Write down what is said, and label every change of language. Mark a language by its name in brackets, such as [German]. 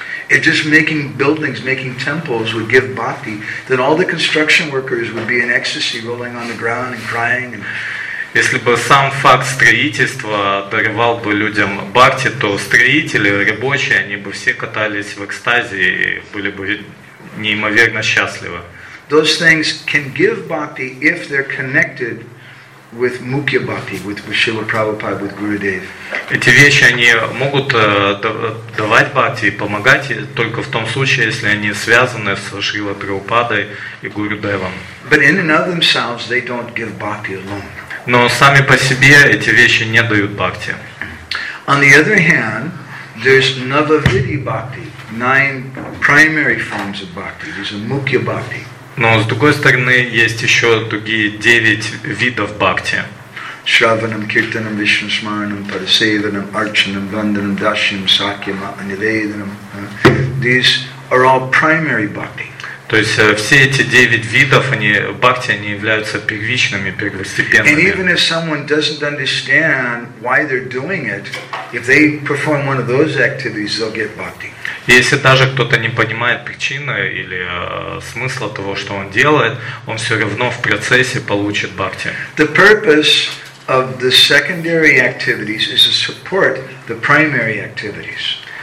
[English] If just making buildings, making temples would give bhakti, then all the construction workers would be in ecstasy, rolling on the ground and crying. [Russian] Если бы сам факт строительства даривал бы людям бхакти, то строители, рабочие, они бы все катались в экстазе и были бы неимоверно счастливы. [English] Those things can give bhakti if they're connected with mukhya bhakti, with Srila Prabhupada, with Gurudev. [Russian] Эти вещи они могут давать бхакти и помогать только в том случае, если они связаны с Шрилой Прабхупадой и Гурудевом. [English] But in and of themselves, they don't give bhakti alone. [Russian] Но сами по себе эти вещи не дают бхакти. [English] On the other hand, there's Navavidhi bhakti, 9 primary forms of bhakti. There's a mukhya bhakti. [Russian] Но с другой стороны есть еще другие 9 видов бхакти. [Sanskrit] Шраванам, киртанам, вишнусмаранам, парасеванам, арчанам, ванданам, дашьям, сакьям, аниведанам. [English] These are all primary bhakti. [Russian] То есть все эти 9 видов, они бхакти, они являются первичными, первостепенными. [English] And even if someone doesn't understand why they're doing it, if they perform one of those activities, they'll get bhakti. [Russian] Если даже кто-то не понимает причины или смысла того, что он делает, он все равно в процессе получит бхакти. [English] The purpose of the secondary activities is to support the primary activities.